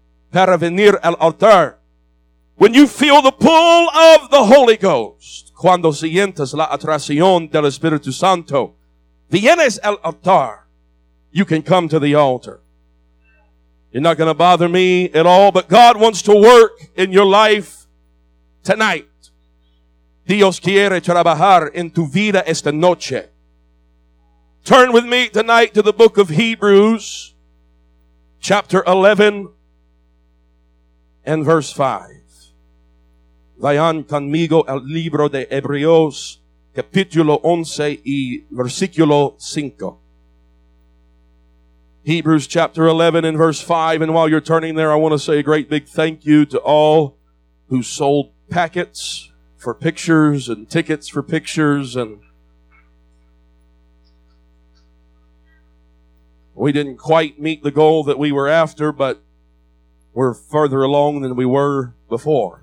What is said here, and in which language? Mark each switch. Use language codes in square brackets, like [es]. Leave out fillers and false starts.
[es] Para venir al altar. [en] When you feel the pull of the Holy Ghost. [es] Cuando sientes la atracción del Espíritu Santo. Vienes al altar. [en] You can come to the altar. You're not going to bother me at all. But God wants to work in your life tonight. [es] Dios quiere trabajar en tu vida esta noche. [en] Turn with me tonight to the book of Hebrews, chapter 11 and verse 5. [es] Vayan conmigo al libro de Hebreos, capítulo 11 y versículo 5. [en] Hebrews chapter 11 and verse 5. And while you're turning there, I want to say a great big thank you to all who sold packets for pictures and tickets for pictures, and we didn't quite meet the goal that we were after, but we're further along than we were before.